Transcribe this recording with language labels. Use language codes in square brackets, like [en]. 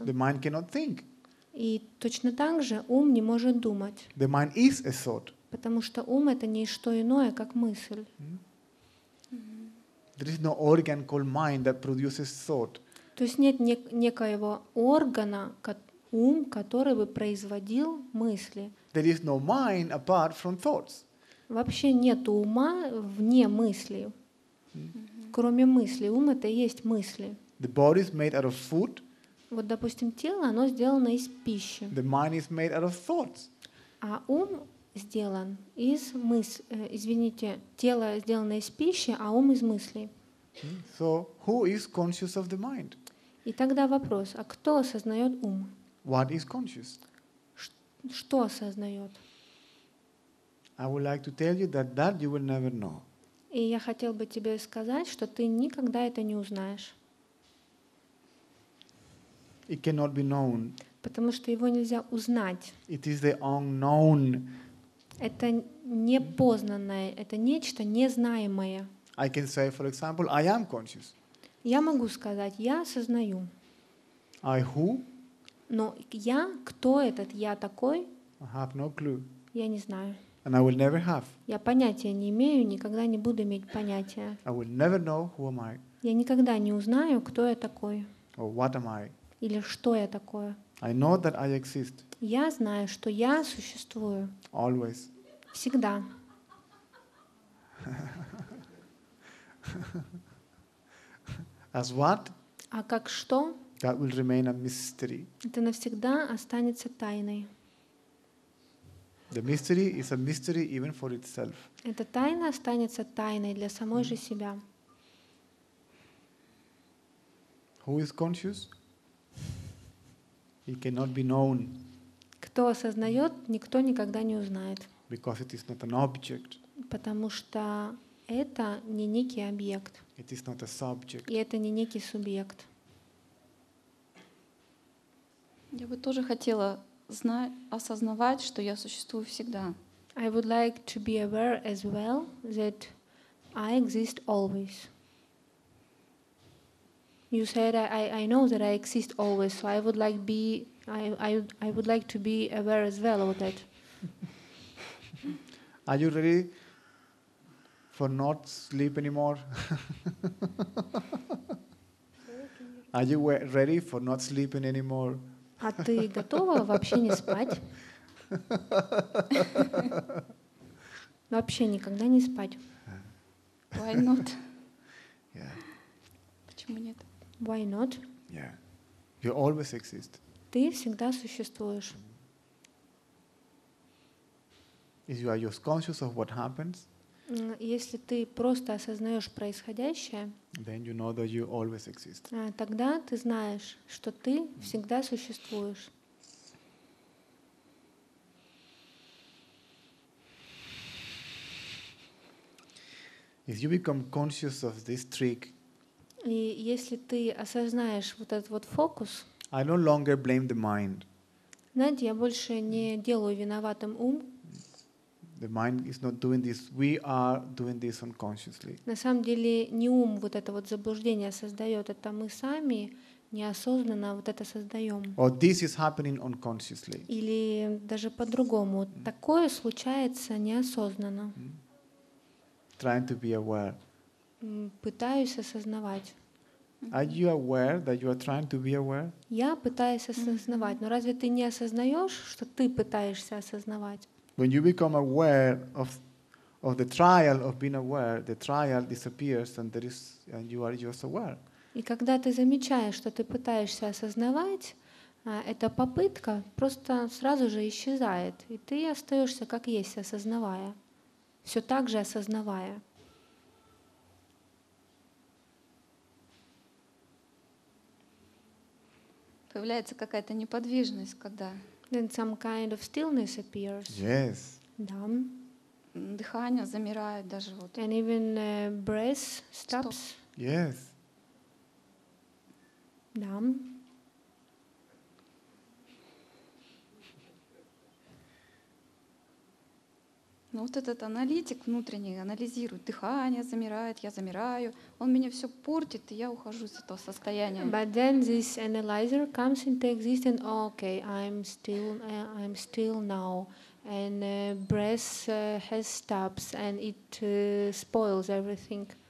[en] The mind cannot think. [ru] И точно так же ум не может думать. [en] The mind is a thought. [ru] Потому что ум это не что иное, как мысль. Mm-hmm. [en] There is no organ called mind that produces thought. [ru] То есть нет некоего органа, ум, который бы производил мысли. [en] There is no mind apart from thoughts. [ru] Вообще нет ума вне мысли. Mm-hmm. Кроме мысли. Ум — это и есть мысли. [en] The body is made out of food. [ru] Вот, допустим, тело, оно сделано из пищи. [en] The mind is made out of thoughts. [ru] А ум сделан из мыслей. Извините, тело сделано из пищи, а ум — из мыслей. [en] So, who is conscious of the mind? [ru] И тогда вопрос, а кто осознает ум? [en] What is conscious? [ru] Что осознает? [en] I would like to tell you that you will never know. [ru] И я хотел бы тебе сказать, что ты никогда это не узнаешь. [en] It cannot be known. [ru] Потому что его нельзя узнать. [en] It is the unknown. [ru] Это непознанное, это нечто незнаемое. [en] I can say, for example, I am conscious. [ru] Я могу сказать, я осознаю. [en] I who? [ru] Но я, кто этот я такой? [en] I have no clue. [ru] Я не знаю. [en] And I will never have. [ru] Я понятия не имею, никогда не буду иметь понятия. [en] I will never know who am I. [ru] Я никогда не узнаю, кто я такой. [en] Or what am I? [ru] Или что я такое? [en] I know that I exist. [ru] Я знаю, что я существую. [en] Always. [ru] Всегда. [en] As what? [ru] А как что? [en] That will remain a mystery. [ru] Это навсегда останется тайной. [en] The mystery is a mystery even for itself. [ru] Эта тайна останется тайной для самой же себя. [en] Who is conscious? It cannot be known. [ru] Кто осознает, никто никогда не узнает. [en] Because it is not an object. [ru] Потому что это не некий объект. [en] It is not a subject. [ru] И это не некий субъект. Я бы тоже хотела осознавать, что я существую всегда. [en] I would like to be aware as well that I exist always. You said I know that I exist always, so I would like to be aware as well of that. Are you ready for not sleep anymore? Are you ready for not sleeping anymore? [ru] А ты готова вообще не спать? Вообще никогда не спать. [en] Why not? Yeah. [ru] Почему нет? [en] Why not? Yeah. You always exist. [ru] Ты всегда существуешь. [en] If you are just conscious of what happens, [ru] если ты просто осознаешь происходящее, [en] then you know that you always exist. [ru] Тогда ты знаешь, что ты всегда существуешь. [en] If you become conscious of this trick, [ru] и если ты осознаешь вот этот вот фокус, [en] I no longer blame the mind. [ru] Знаете, я больше не делаю виноватым ум. [en] The mind is not doing this. We are doing this unconsciously. [ru] На самом деле не ум вот это вот заблуждение создает, это мы сами неосознанно вот это создаем. [en] Or this is happening unconsciously. [ru] Или даже по-другому. Такое случается неосознанно. [en] Trying to be aware. [ru] Пытаюсь осознавать. [en] Are you aware that you are trying to be aware? [ru] Я пытаюсь осознавать, но разве ты не осознаешь, что ты пытаешься осознавать? [en] When you become aware of the trial of being aware, the trial disappears and there is and you are just aware. [ru] И когда ты замечаешь, что ты пытаешься осознавать, эта попытка просто сразу же исчезает, и ты остаешься как есть, осознавая. Все так же осознавая. Появляется какая-то неподвижность, когда. [en] Then some kind of stillness appears. Yes. [ru] Да. Дыхание замирает даже вот. [en] And even breath stops. Stop. Yes. [ru] Да. Ну вот этот аналитик внутренний анализирует, дыхание замирает, я замираю, он меня все портит, и я ухожу из этого состояния. [en] But then this analyzer comes into existence. Okay, I'm still now, and breath has stops, and it spoils everything.